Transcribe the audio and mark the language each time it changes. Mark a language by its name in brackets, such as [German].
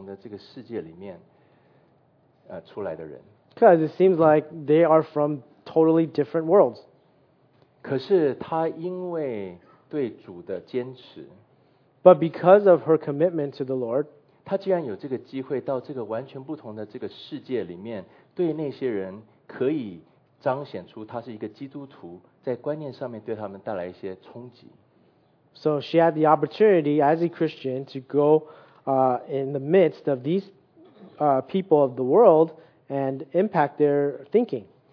[Chinese] 因为他们感觉像是从两个截然不同的这个世界里面，出来的人。 [English] Because it seems like they are from totally different worlds. [Chinese] 可是她因为对主的坚持, [English] but because of her commitment to the Lord, [Chinese] 她既然有这个机会到这个完全不同的这个世界里面，对那些人可以彰显出她是一个基督徒，在观念上面对他们带来一些冲击。 [English] So she had the opportunity as a Christian to go in the midst of these people of the world and impact their thinking.